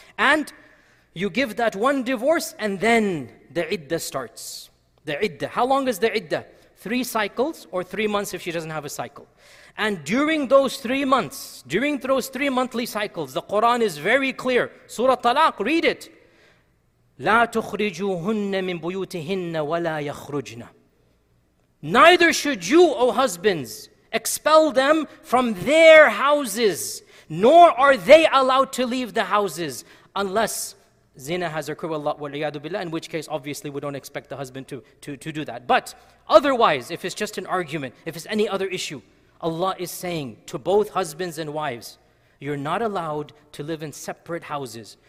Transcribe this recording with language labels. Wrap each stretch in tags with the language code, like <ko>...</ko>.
<en>And you give that one divorce, and then the iddah starts. The iddah. How long is the iddah? 3 cycles or 3 months if she doesn't have a cycle. And during those 3 months, during those 3 monthly cycles, the Quran is very clear. Surah Talaq, read it.</en> <ar>لا تخرجوهن من بيوتهن ولا يخرجن.</ar> <en>Neither should you, O husbands, expel them from their houses, nor are they allowed to leave the houses, unless zina has occurred, in which case obviously we don't expect the husband to do that. But otherwise, if it's just an argument, if it's any other issue, Allah is saying to both husbands and wives, you're not allowed to live in separate houses.</en>